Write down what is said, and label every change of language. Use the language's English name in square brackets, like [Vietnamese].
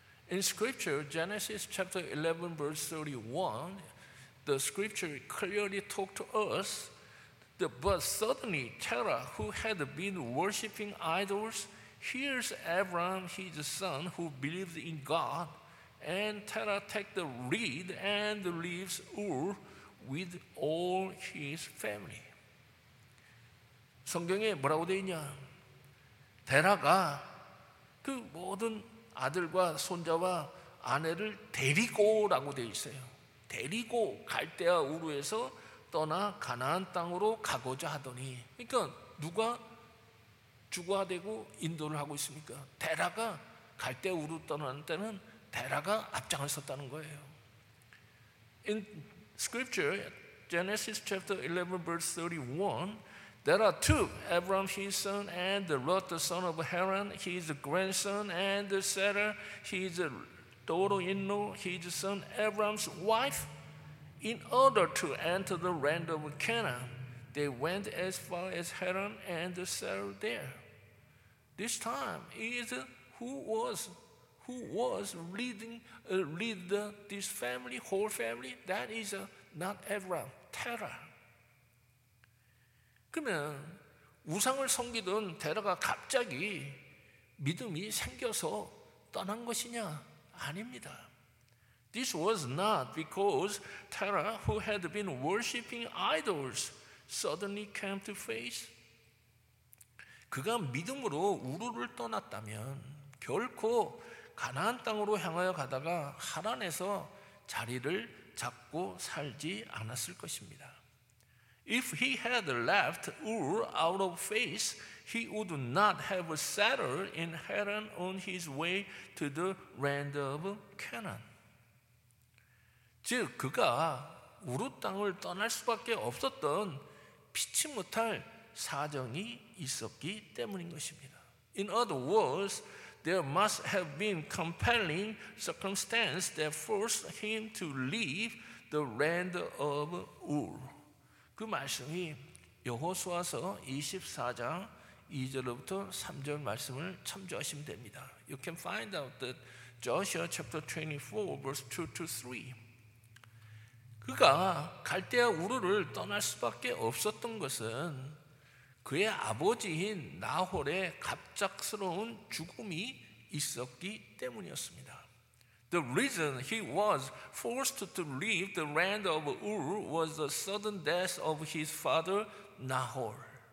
[English] In scripture, Genesis chapter 11 verse 31, the scripture clearly talked to us but suddenly Terah, who had been worshipping idols, hears Abraham, his son, who believed in God, and Terah takes the reed and leaves Ur with all his family. [Korean] 성경에 뭐라고 돼 있냐? 데라가 그 모든 아들과 손자와 아내를 데리고라고 돼 있어요. 데리고 갈대아 우르에서 떠나 가나안 땅으로 가고자 하더니, 그러니까 누가 주관되고 인도를 하고 있습니까? 데라가 갈대아 우르 떠나는 때는 데라가 앞장을 섰다는 거예요. [English] In Scripture, Genesis chapter 11, verse 31, Terah took Abram his son and Lot the son of Haran, his grandson, and Sarah his daughter-in-law, his son Abram's wife, in order to enter the land of Canaan. They went as far as Haran and settled there. This time is who was leading this whole family. That is not Abraham, Terah. [Korean] 그러면 우상을 섬기던 데라가 갑자기 믿음이 생겨서 떠난 것이냐? 아닙니다. [English] This was not because Terah, who had been worshipping idols, suddenly came to faith. [Korean] 그가 믿음으로 우르를 떠났다면 결코 가나안 땅으로 향하여 가다가 하란에서 자리를 잡고 살지 않았을 것입니다. [English] If he had left Ur out of face, he would not have settled in Haran on his way to the land of Canaan. [Korean] 즉, 그가 우르 땅을 떠날 수밖에 없었던 피치 못할 사정이 있었기 때문인 것입니다. [English] In other words, there must have been compelling circumstance that forced him to leave the land of Ur. [Korean] 그 말씀이 여호수아서 24장 2절부터 3절 말씀을 참조하시면 됩니다. [English] You can find out that Joshua chapter 24 verse 2 to 3. [Korean] 그가 갈대아 우르를 떠날 수밖에 없었던 것은 그의 아버지인 나홀의 갑작스러운 죽음이 있었기 때문이었습니다. [English] The reason he was forced to leave the land of Ur was the sudden death of his father, Nahor.